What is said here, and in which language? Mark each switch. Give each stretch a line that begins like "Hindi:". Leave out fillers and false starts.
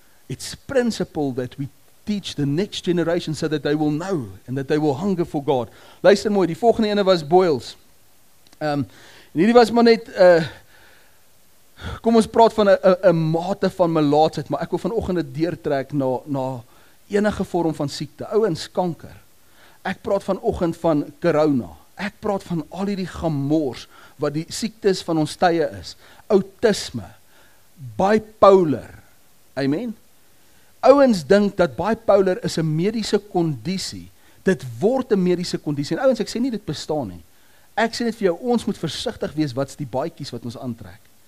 English: It's principle that we teach the next generation so that they will know and that they will hunger for God.
Afrikaans: Luister mooi, die volgende ene was boils. En hierdie was maar net, kom ons praat van een mate van melaatsheid, maar ek wil vanochtend deurtrek na enige vorm van siekte, ouwens kanker. Ek praat vanoggend van corona. Ek praat van al hierdie gemors wat die siektes van ons tye is. Autisme, bipolar. Amen. Ouens dink dat bipolar is 'n mediese kondisie. Dit word 'n mediese kondisie. En ouens, ek sê nie dit bestaan nie. Ek sê net vir jou, ons moet versigtig wees wat die baadjies wat ons aantrek.